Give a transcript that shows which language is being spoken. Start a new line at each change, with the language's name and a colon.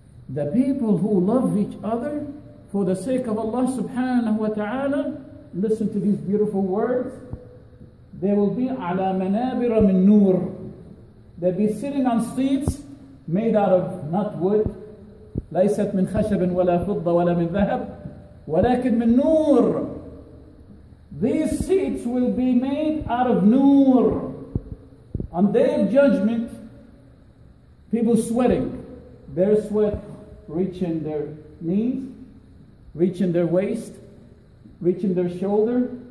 English: The people who love each other for the sake of Allah subhanahu wa ta'ala, listen to these beautiful words. They will be
Arabic: ala manabira min noor.
English: They'll be sitting on seats made out of not wood.
Arabic: ليست من خشب ولا فضة ولا من ذهب ولكن من نور.
English: These seats will be made out of noor. On day of judgment, people sweating, their sweat reaching their knees, reaching their waist, reaching their shoulder.